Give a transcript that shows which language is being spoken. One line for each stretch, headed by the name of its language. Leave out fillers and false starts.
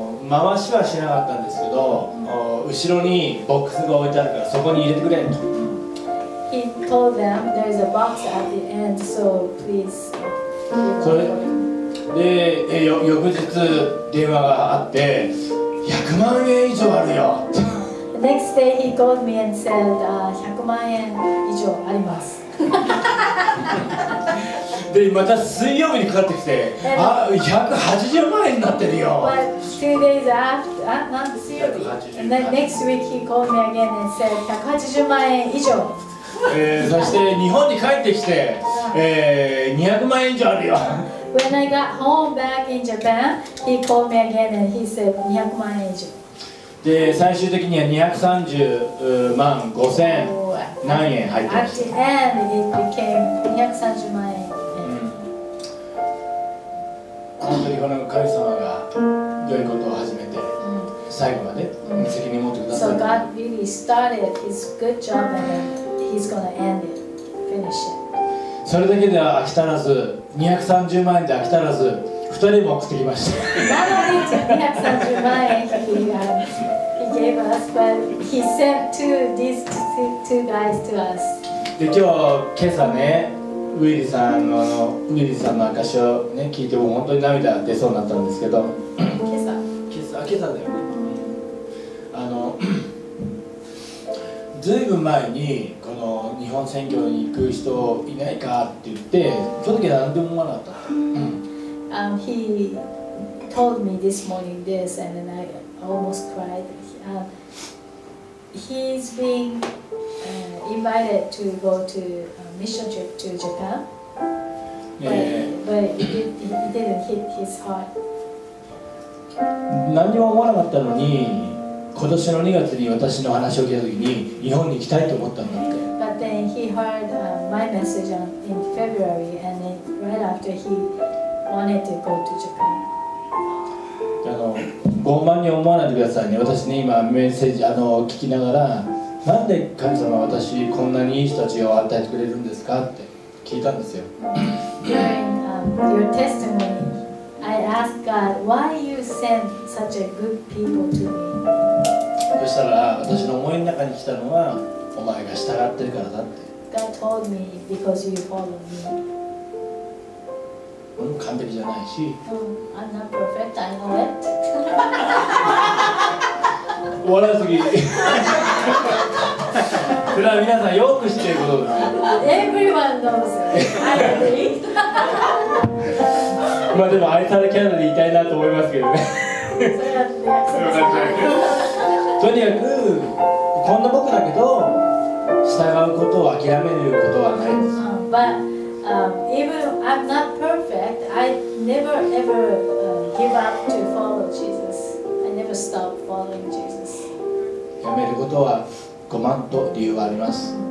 Japanese: 回しはしなかったんですけど、後ろにボックスが置いてあるからそこに入れてくれと。
English: He told them there is a box at the end, so please.
Japanese: それで翌日電話があって、100万円以上あるよ。
English: The next day he called me and said
Japanese: 100万円以上あります。でまた水曜日にかかってきて、あ、180万円になってるよ。
English: 2 days after not 水曜日、next week he called me again and said
Japanese: 180万円以上。そして日本に帰ってきて、200万円以上あるよ。
English: When I got home back in Japan, he called me again and he said
Japanese: 200万円以上。で最終的には230万5千何円入ってました。
English: At the end, it became 230万円。
Japanese: 本当にこの神様がどういうことを始めて最後まで責任を持ってください。
English: So God really started his good job and he's gonna end it, finish it。
Japanese: それだけでは飽き足らず、230万円で飽き足らず、2人も送ってきました。
English: Not only 230万円 he gave us, but he sent these two guys to us。
Japanese: で今日、今朝ね、ウィリーさんの、ウィリーさんの証を、ね、聞いて、本当に涙出そうになったんですけど。今朝だよね。ずいぶん前に、この日本選挙に行く人いないかって言って、その時は何でも思わなかった。
English: He told me this morning this, and then I almost cried. He's been invited to go to a mission trip to Japan, but it didn't hit his heart.
Japanese: 何も思わなかったのに、今年の2月に私の話を聞いた時に日本に行きたいと思ったんだって。
English: But then he heard my message in February and then right after he wanted to go to Japan。
Japanese: 傲慢に思わないでくださいね。私ね、今メッセージ聞きながら、なんで神様は私こんなにいい人たちを与えてくれるんですかって聞いたんですよ。
English: During your testimony I asked God why you send such a good people to me。
Japanese: そしたら私の思いの中に来たのは、お前が従ってるからだって。
English: God told me because you follow me。
Japanese: 俺も完璧じゃないし、
English: I'm not perfect, I know it。
Japanese: 笑いすぎ。それは皆さんよく知ってることだ。
English: Everyone knows it, I agree。
Japanese: まあでも愛されキャラでいたいなと思いますけどね。それはね、とにかくこんな僕だけど、従うことを諦めることはないです。
English: But even I'm not perfect, I never ever give up to follow Jesus. I never stop following Jesus.
Japanese: やめることは5万と理由はあります。